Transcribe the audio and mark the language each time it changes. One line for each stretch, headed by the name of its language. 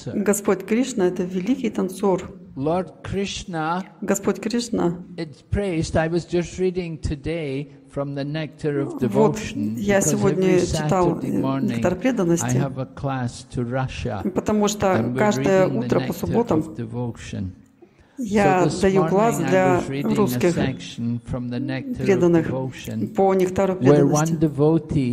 Russian: Господь Кришна — это великий танцор.
English: Lord Krishna,
Russian: Господь Кришна,
English: it's praised. I was just reading today from the Nectar of Devotion.
Russian: Я сегодня читал Нектар преданности.
English: I have a class to Russia.
Russian: Потому что каждое утро по субботам я даю класс для русских преданных по Нектару преданности.